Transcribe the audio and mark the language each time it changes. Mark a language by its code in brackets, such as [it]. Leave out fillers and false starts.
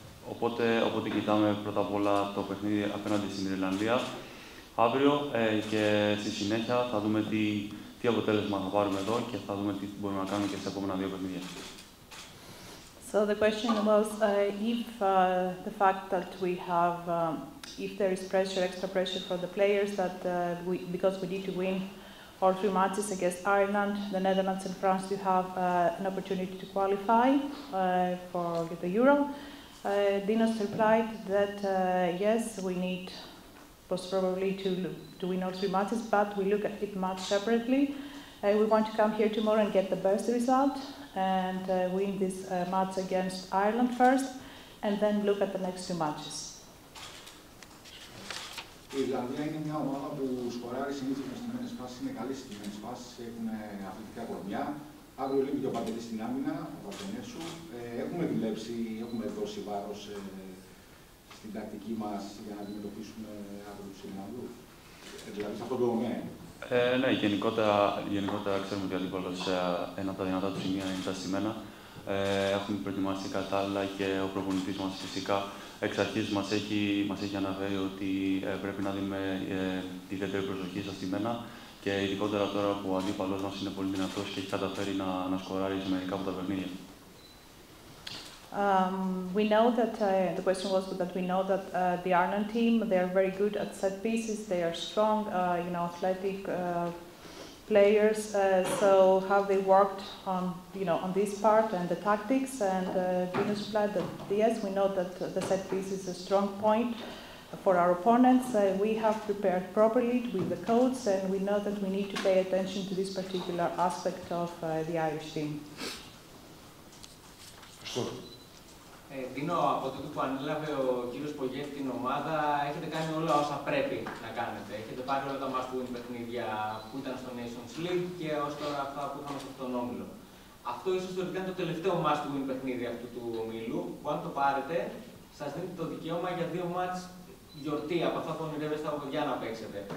[el] Οπότε κοιτάμε πρώτα απ' όλα το παιχνίδι απέναντι στην Ιρλανδία αύριο και στη συνέχεια θα δούμε τι αποτέλεσμα θα πάρουμε εδώ και θα δούμε τι μπορούμε να κάνουμε και στα επόμενα δύο παιχνίδια. [en] So the question was if the fact that we have, if there is pressure, extra pressure for the players that because we need to win our three matches against Ireland, the Netherlands and France, you have an opportunity to qualify for the Euro. Dinos replied that yes, we need most probably to win all three matches, but we look at it much separately. We want to come here tomorrow and get the best result. And win this match against Ireland first, and then look at the next two matches. [el] Η Ιρλανδία είναι μια ομάδα που σκοράρει συνήθως με στιγμένες φάσεις, είναι καλή στιγμένες φάσεις, έχουν αθλητικά κορμιά. Άγω λίγο και ο Παντελής στην άμυνα, ο Παντενέσου. Έχουμε δουλέψει, έχουμε δώσει βάρος στην τακτική μας για να αντιμετωπίσουμε αύριο τους Ιρλανδούς. Δηλαδή, σε αυτό το τομέα. Ναι, γενικότερα ξέρουμε ότι ο αντίπαλος ένα από τα δυνατά του σημεία είναι τα στημένα. Έχουμε προετοιμαστεί κατάλληλα και ο προπονητής μας φυσικά εξ αρχής μας έχει αναφέρει ότι πρέπει να δίνουμε ιδιαίτερη προσοχή στα στημένα και ειδικότερα τώρα που ο αντίπαλος μας είναι πολύ δυνατός και έχει καταφέρει να σκοράρει σε μερικά από τα παιχνίδια. [en] We know that the question was that we know that the Ireland team, they are very good at set pieces, they are strong, you know, athletic players. So how they worked on, you know, on this part and the tactics, and Dinos replied that yes, we know that the set piece is a strong point for our opponents. We have prepared properly with the codes, and we know that we need to pay attention to this particular aspect of the Irish team. Sure. [el] Δίνω από τότε που ανέλαβε ο κύριος Πογιέτ την ομάδα, έχετε κάνει όλα όσα πρέπει να κάνετε. Έχετε πάρει όλα τα μάτς που είναι παιχνίδια που ήταν στο Nations League και ως τώρα αυτά που είχαμε σε αυτόν τον όμιλο. Αυτό ίσως τελικά είναι το τελευταίο μάτς που είναι παιχνίδι αυτού του ομίλου, που αν το πάρετε, σας δίνετε το δικαίωμα για δύο μάτς γιορτή από αυτά που ονειρεύεστε από παιδιά να παίξετε.